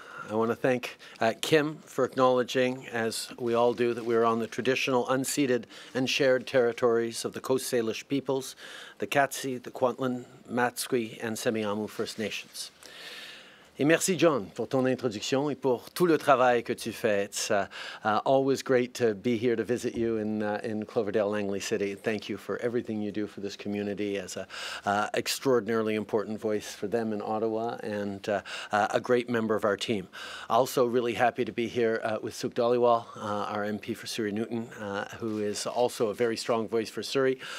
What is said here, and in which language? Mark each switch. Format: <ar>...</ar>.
<en>I want to thank Kim for acknowledging, as we all do, that we are on the traditional unceded and shared territories of the Coast Salish peoples, the Katsi, the Kwantlen, Matsqui and Semiamu First Nations.</en> <fr>Et merci, John, pour ton introduction et pour tout le travail que tu fais.</fr> <en>It's always great to be here to visit you in Cloverdale Langley City. Thank you for everything you do for this community as an extraordinarily important voice for them in Ottawa and a great member of our team. Also really happy to be here with Sukh Dhaliwal, our MP for Surrey Newton, who is also a very strong voice for Surrey.</en>